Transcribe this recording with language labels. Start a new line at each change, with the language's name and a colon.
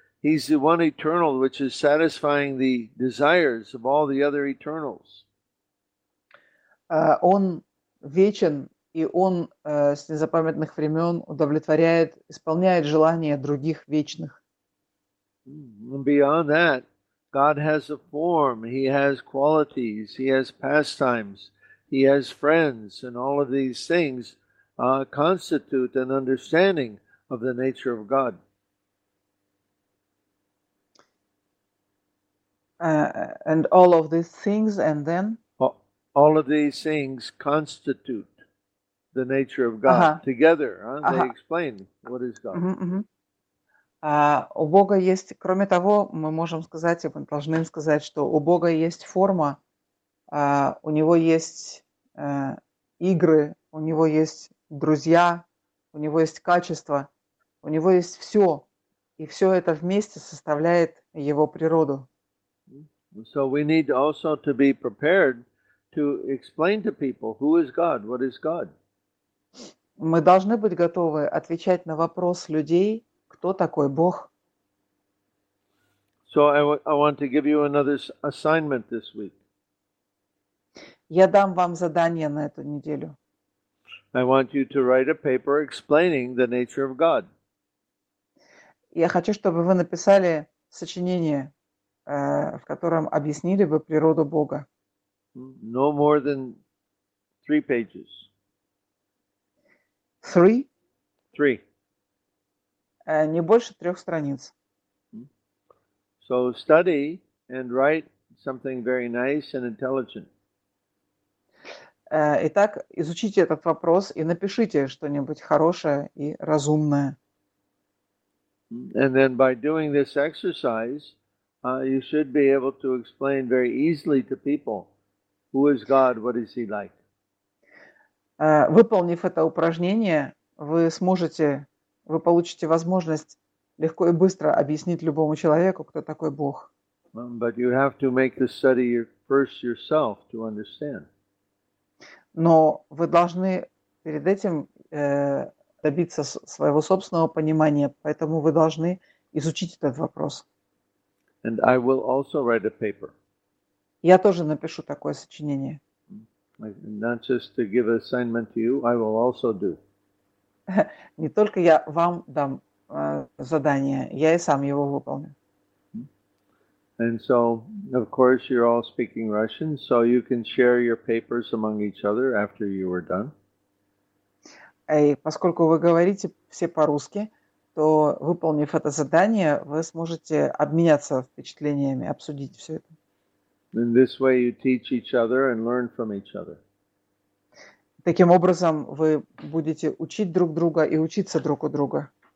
English: He's the one eternal which is satisfying the desires of all the other eternals.
Russian: Он вечен, и он с незапамятных времен удовлетворяет, исполняет желания других вечных.
English: Beyond that, God has a form, he has qualities, he has pastimes, he has friends, and all of these things constitute an understanding of the nature of God. And all of these things, and then? All of these things constitute the nature of God. Uh-huh. Together, they explain what is God. Uh-huh, uh-huh.
Russian: У Бога есть, кроме того, мы можем сказать, мы должны сказать, что у Бога есть форма, у Него есть игры, у Него есть друзья, у Него есть качества. У него есть все, и все это вместе составляет его природу.
English: So we need also to be prepared to explain to people who is God, what is God.
Russian: Мы должны быть готовы отвечать на вопрос людей, кто такой Бог.
English: So I want to give you another assignment this week.
Russian: Я дам вам задание на эту неделю.
English: I want you to write a paper explaining the nature of God.
Russian: Я хочу, чтобы вы написали сочинение, в котором объяснили бы природу Бога.
English: No more than 3 pages. Three.
Russian: Не больше 3 страниц.
English: So study and write something very nice and intelligent.
Russian: Итак, изучите этот вопрос и напишите что-нибудь хорошее и разумное.
English: And then by doing this exercise, you should be able to explain very easily to people who is God, what is he like.
Russian: Выполнив это упражнение, вы получите возможность легко и быстро объяснить любому человеку, кто такой Бог.
English: But you have to make the study first yourself to understand.
Russian: Но вы должны перед этим добиться своего собственного понимания, поэтому вы должны изучить этот вопрос.
English: And I will also write a paper.
Russian: Я тоже напишу такое сочинение.
English: Not just to give an assignment to you, I will also do.
Russian: Не только я вам дам задание, я и сам его выполню.
English: And so, of course, you're all speaking Russian, so you can share your papers among each other after you are done.
Russian: И поскольку вы говорите все по-русски, то, выполнив это задание, вы сможете обменяться впечатлениями, обсудить все это.
English: In this way you teach each other and learn from each other.
Russian: Таким образом, вы будете учить друг друга и учиться друг у друга.